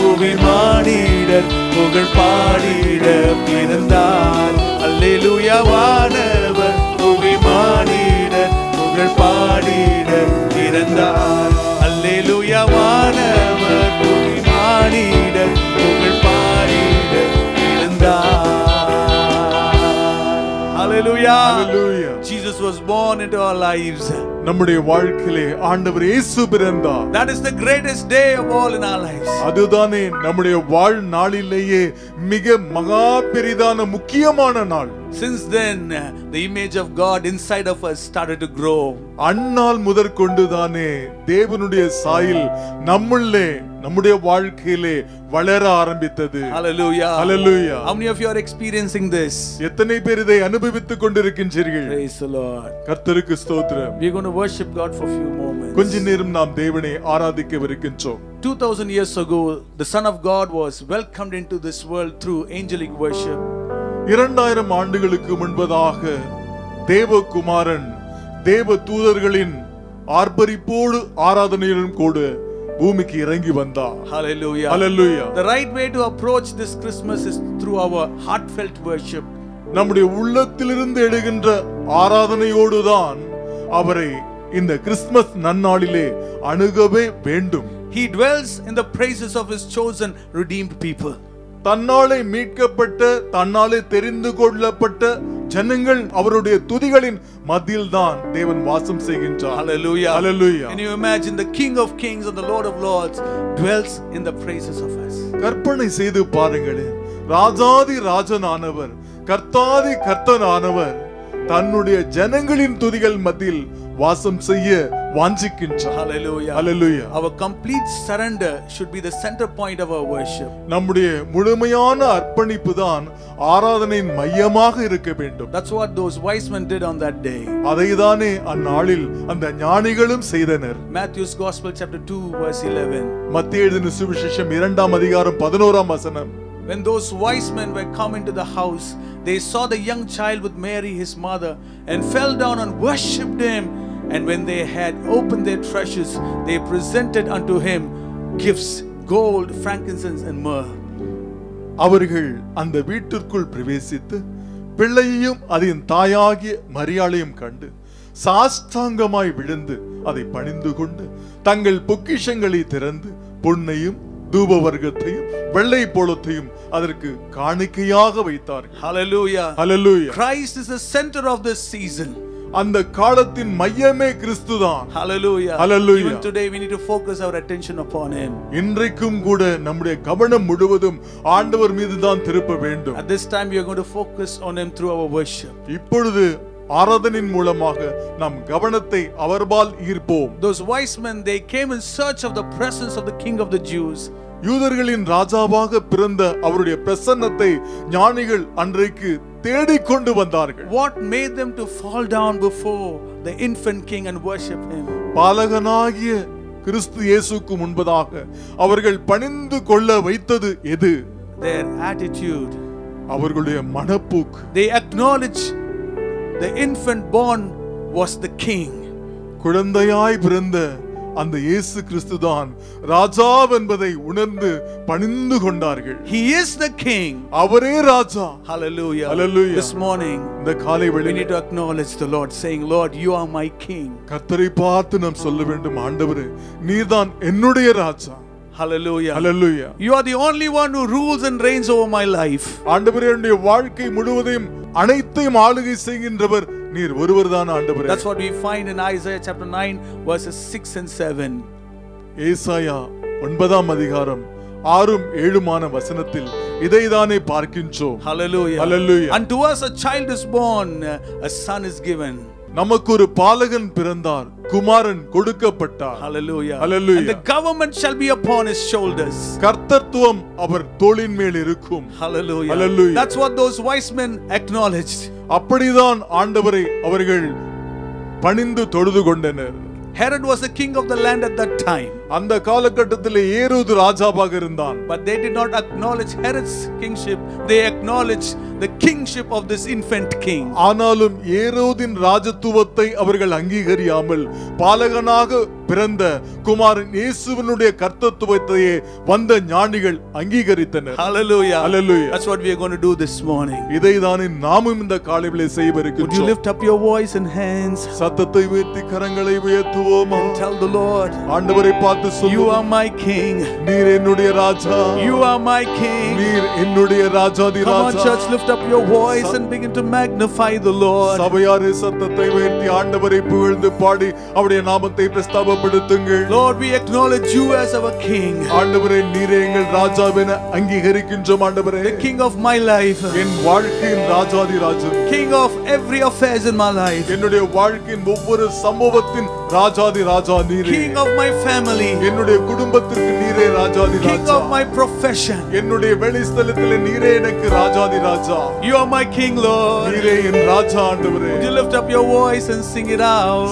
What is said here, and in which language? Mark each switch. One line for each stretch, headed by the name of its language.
Tamil: அபிமானிடர் புகழ் பாடிட பிறந்தார் அல்லேலூயா வானவர் அபிமானிடர் புகழ் பாடிட பிறந்தார் அல்லேலூயா வானவர் அபிமானிடர் புகழ் பாடிட பிறந்தார் அல்லேலூயா அல்லேலூயா
English: Jesus was born into our lives
Tamil: நம்முடைய வாழ்க்கையிலே ஆண்டவர் இயேசு பிறந்தார்
English: that is the greatest day of all in our lives
Tamil: அதுதானே நம்முடைய வாழ்நாளிலேயே மிக மகா பெரிதான முக்கியமான நாள்
English: since then the image of god inside of us started to grow
Tamil: அன்னால் முதற்கொண்டு தானே தேவனுடைய சாயல் நம்முள்ளே நம்முடைய வாழ்க்கையிலே வளர ஆரம்பித்தது
English: hallelujah hallelujah how many of you are experiencing this
Tamil: எத்தனை பேர் இதை அனுபவித்துக் கொண்டிருக்கின்றீர்கள்
English: praise the lord
Tamil: கர்த்தருக்கு ஸ்தோத்திரம்
English: we're going to worship god for a few moments
Tamil: கொஞ்ச நேரம் நாம் தேவனை ஆராதிக்க இருக்கின்றோம்
English: 2000 years ago the son of god was welcomed into this world through angelic worship
Tamil: 2000 ஆண்டுகளுக்கு முன்பதாக தேவகுமாரன் தேவ தூதர்களின் ஆர்ப்பரிப்போடு ஆராதனையிலும் கூட பூமிக்கு இறங்கி வந்தார்
English: ஹalleluya ஹalleluya the right way to approach this christmas is through our heartfelt worship
Tamil: நம்முடைய உள்ளத்திலிருந்து எழுகின்ற ஆராதனையோடு தான் அவரை இந்த கிறிஸ்மஸ் நன்னாளிலே அணுகவே வேண்டும்
English: he dwells in the praises of his chosen redeemed people
Tamil: தன்னாலே மீட்கப்பட்ட தன்னாலே தெரிந்து கொள்ளப்பட்ட ஜனங்கள் அவருடைய துதிகளின் மத்தியில் தான் தேவன் வாசம் செய்கின்றார்
English: ஹalleluya ஹalleluya can you imagine the king of kings and the lord of lords dwells in the praises of us
Tamil: கற்பனை செய்து பாருங்கள் ராஜாதி ராஜனானவர் கர்த்தாதி கர்த்தனானவர் தன்னுடைய ஜனங்களின் துதிகள் மத்தியில் வாசம் செய்ய வாஞ்சிக்கின்றார்
English: ஹalleluya ஹalleluya our complete surrender should be the center point of our worship
Tamil: நம்முடைய முழுமையான அர்ப்பணிப்பு தான் ஆராதனையின் மையமாக இருக்க வேண்டும்
English: that's what those wise men did on that day
Tamil: அதைதானே அந்நாளில் அந்த ஞானிகளும் செய்தனர்
English: Matthew's gospel chapter 2 verse 11
Tamil: மத்தேயுவின் சுவிசேஷம் 2 அதிகாரம் 11 வசனம்
English: when those wise men were come into the house they saw the young child with Mary his mother and fell down and worshiped him and when they had opened their treasures they presented unto him gifts gold frankincense and myrrh
Tamil: அவர்கள் அந்த வீட்டிற்குள் பிரவேசித்து பிள்ளையையும் அதின் தாயாகிய மரியாளையும் கண்டு சாஷ்டாங்கமாய் விழுந்து அதை பணிந்து கொண்டு தங்கள் பொக்கிஷங்களை திறந்து பொன்னையும் தூப வர்க்கத்தையும் வெள்ளை பொலத்தையும் அதற்கு காணிக்கையாக வைத்தார்கள்
English: ஹalleluya ஹalleluya Christ is the center of this season
Tamil: அந்த காலத்தின் மையமே கிறிஸ்துதான்
English: ஹalleluya ஹalleluya Even today we need to focus our attention upon him
Tamil: இன்றைக்கும் கூட நம்முடைய கவனம் முழுவதும் ஆண்டவர் மீதுதான் திருப்ப வேண்டும்
English: At this time we are going to focus on him through our worship
Tamil: இப்பொழுது ஆராதனையின் மூலமாக நம் கவனத்தை அவர்பால் ஈர்ப்போம்
English: Those wise men they came in search of the presence of the king of the Jews
Tamil: யூதர்களின் ராஜாவாக பிறந்த அவருடைய பிரசன்னத்தை ஞானிகள் அன்றைக்கு தேடிக் கொண்டு வந்தார்கள்
English: What made them to fall down before the infant king and worship him
Tamil: பாலகனாகிய கிறிஸ்து இயேசுவுக்கு முன்பதாக அவர்கள் பணிந்து கொள்ள வைத்தது எது
English: Their attitude
Tamil: அவர்களுடைய மனப்போக்கு
English: They acknowledge the infant born was the king
Tamil: குழந்தையாய் பிறந்த அந்த இயேசு கிறிஸ்துதான் ராஜா என்பதை உணர்ந்து பணிந்து கொண்டார்கள்
English: he is the king
Tamil: அவரே ராஜா
English: hallelujah hallelujah this morning
Tamil: இந்த காலை வேளையில்
English: we need to acknowledge the lord saying lord you are my king
Tamil: கர்த்தரை பார்த்து நாம் சொல்ல வேண்டும் ஆண்டவரே நீர்தான் என்னுடைய ராஜா
English: hallelujah hallelujah you are the only one who rules and reigns over my life
Tamil: ஆண்டவரே என்னுடைய வாழ்க்கை முழுவதையும் அனைத்தையும் ஆளுகை செய்கின்றவர் நீர் ஒருவர்தான் ஆண்டவரே
English: that's what we find in isaiah chapter 9 verses 6 and 7
Tamil: ஏசாயா 9 அதிகாரம் 6 7 மான வசனத்தில் இதைதானே பார்க்கின்றோம்
English: hallelujah hallelujah and to us a child is born a son is given
Tamil: நமக்கு ஒரு பாலகன் பிறந்தார் குமாரன் கொடுக்கப்பட்டார்
English: hallelujah hallelujah and the government shall be upon his shoulders
Tamil: கர்த்தத்துவம் அவர் தோளின் மேல் இருக்கும்
English: hallelujah hallelujah that's what those wise men acknowledged
Tamil: அப்படிதான் ஆண்டவரை அவர்கள் பணிந்து தொழுது கொண்டனர்
English: herod was the king of the land at that time
Tamil: அந்த கால கட்டத்திலே ஏரோது ராஜாவாக இருந்தான்
English: but they did not acknowledge Herod's kingship they acknowledged the kingship of this infant king
Tamil: ஆனாலும் ஏரோதின் ராஜத்துவத்தை அவர்கள் அங்கீகரியாமல் பாலகனாக பிறந்த குமாரன் இயேசுவினுடைய கர்த்தத்துவத்தையே வந்த ஞானிகள் அங்கீகரித்தனர்
English: hallelujah hallelujah that's what we are going to do this morning
Tamil: இதைதான் நாமும் இந்த காலையிலே செய்யவிருக்கிறோம்
English: would you lift up your voice and hands
Tamil: சத்தத்தை உயர்த்தி கரங்களை உயர்த்துவோமா
English: tell the lord
Tamil: ஆண்டவரே
English: You are my king.
Tamil: நீர் என்னுடைய ராஜா.
English: You are my king.
Tamil: நீர் என்னுடைய ராஜாதி ராஜா.
English: Come on, church, lift up your voice and begin to magnify the Lord.
Tamil: சபையாரே சத்தத்தை உயர்த்தி ஆண்டவரை புகழ்ந்து பாடி அவருடைய நாமத்தை பிரஸ்தாபப்படுத்துங்கள்.
English: Lord, we acknowledge you as our king.
Tamil: ஆண்டவரே நீரே எங்கள் ராஜாவென அங்கீகரிக்கின்றோம் ஆண்டவரே.
English: The king of my life.
Tamil: என் வாழ்க்கையின் ராஜாதி ராஜா.
English: King of every affairs in my life.
Tamil: என்னுடைய வாழ்க்கையின் ஒவ்வொரு சம்பவத்தின் ராஜாதி ராஜா நீரே
English: King of my family
Tamil: என்னுடைய குடும்பத்துக்கு நீரே ராஜாதி ராஜா
English: King of my profession
Tamil: என்னுடைய வேலைஸ்தலத்தில் நீரே எனக்கு ராஜாதி ராஜா
English: You are my king lord
Tamil: நீரே என் ராஜா ஆண்டவரே
English: Would you lift up your voice and sing it out